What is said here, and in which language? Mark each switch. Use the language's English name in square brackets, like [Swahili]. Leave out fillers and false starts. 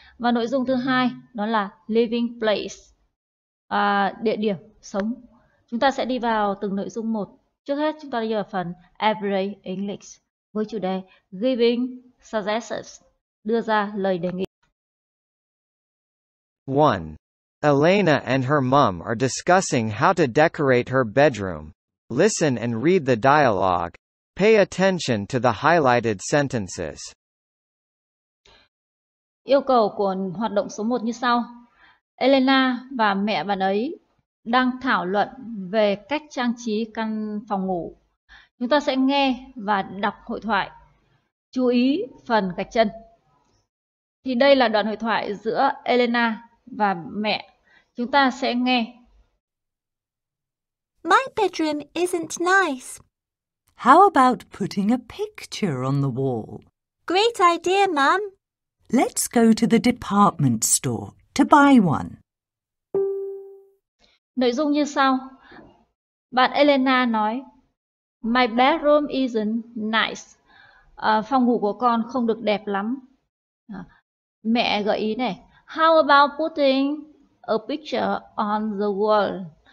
[Vietnamese] Và nội dung thứ hai đó là Living Place, địa điểm sống. Chúng ta sẽ đi vào từng nội dung một. Trước hết, chúng ta đi vào phần Everyday English với chủ đề giving suggestions, đưa ra lời đề nghị. [English] 1. Elena and her mom are discussing how to decorate her bedroom. Listen and read the dialogue. Pay attention to the highlighted sentences. [Vietnamese] Yêu cầu của hoạt động số 1 như sau. Elena và mẹ bạn ấy đang thảo luận về cách trang trí căn phòng ngủ. Chúng ta sẽ nghe và đọc hội thoại. Chú ý phần gạch chân. Thì đây là đoạn hội thoại giữa Elena và mẹ. Chúng ta sẽ nghe. [English] My bedroom isn't nice. How about putting a picture on the wall? Great idea, Mum. Let's go to the department store to buy one. [Vietnamese] Nội dung như sau. Bạn Elena nói, [English] My bedroom isn't nice. [Vietnamese] Phòng ngủ của con không được đẹp lắm. Mẹ gợi ý này. [English] How about putting a picture on the wall?